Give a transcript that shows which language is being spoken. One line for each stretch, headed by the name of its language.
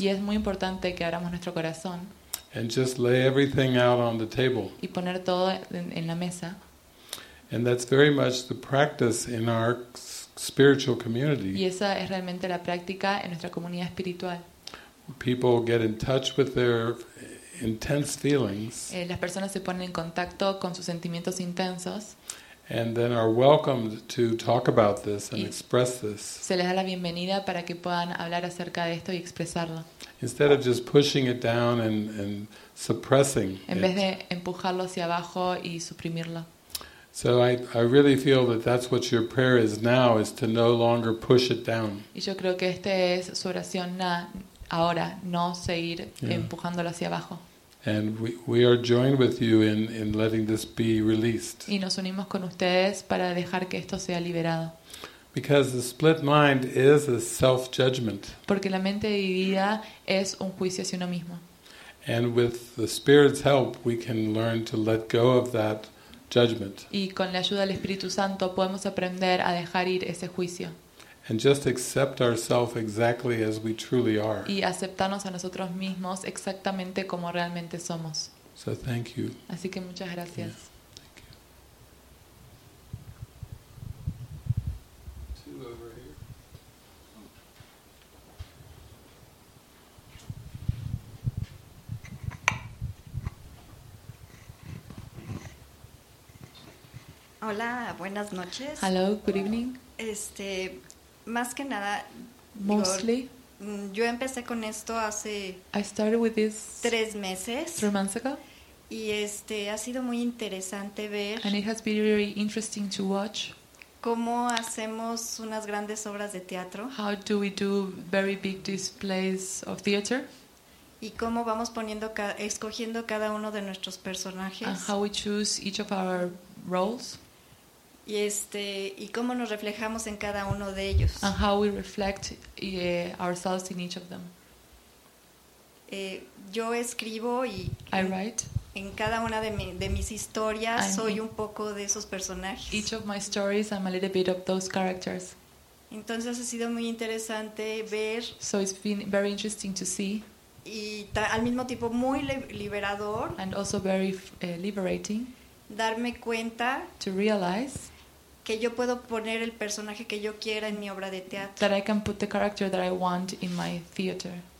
Spanish: Y es muy importante que abramos nuestro corazón.
English: And just lay everything out on the table.
Spanish: Y poner todo en la mesa.
English: And that's very much the practice in our spiritual community.
Spanish: Y esa es realmente la práctica en nuestra comunidad espiritual.
English: People get in touch with their intense feelings.
Spanish: Las personas se ponen en contacto con sus sentimientos intensos.
English: And then are welcomed to talk about this and express this.
Spanish: Se les da la bienvenida para que puedan hablar acerca de esto y expresarlo.
English: Instead of just pushing it down and suppressing it.
Spanish: En vez de empujarlo hacia abajo y suprimirlo.
English: So I really feel that that's what your prayer is now, is to no longer push it down.
Spanish: Y yo creo que esta es su oración ahora, no seguir empujándolo hacia abajo.
English: And we are joined with you in letting this be released.
Spanish: Y nos unimos con ustedes para dejar que esto sea liberado.
English: Because the split mind is a self-judgment.
Spanish: Porque la mente dividida es un juicio hacia uno mismo.
English: And with the Spirit's help, we can learn to let go of that judgment.
Spanish: Y con la ayuda del Espíritu Santo podemos aprender a dejar ir ese juicio.
English: And just accept ourselves exactly as we truly are.
Spanish: Y aceptarnos a nosotros mismos exactamente como realmente somos.
English: So thank you.
Spanish: Así que muchas gracias.
English: Yeah. Thank you. Two over here.
Spanish: Hola, buenas noches.
English: Hello, good evening.
Spanish: Más que nada,
English: mostly,
Spanish: yo empecé con esto hace tres meses.
English: 3 months ago.
Spanish: Y ha sido muy interesante ver.
English: And it has been really interesting to watch.
Spanish: ¿Cómo hacemos unas grandes obras de teatro?
English: How do we do very big displays of theater?
Spanish: ¿Y cómo vamos poniendo escogiendo cada uno de nuestros personajes?
English: And how we choose each of our roles?
Spanish: Y y cómo nos reflejamos en cada uno de ellos?
English: And how we reflect ourselves in each of them?
Spanish: Yo escribo y
English: I write.
Spanish: En cada una de mis historias soy un poco de esos personajes.
English: Each of my stories, I'm a little bit of those characters.
Spanish: Entonces ha sido muy interesante ver.
English: So it's been very interesting to see.
Spanish: Y al mismo tiempo muy liberador.
English: And also very liberating.
Spanish: Darme cuenta.
English: To realize.
Spanish: Que yo puedo poner el personaje que yo quiera en mi obra de teatro.
English: That I can put the character that I want in my theater.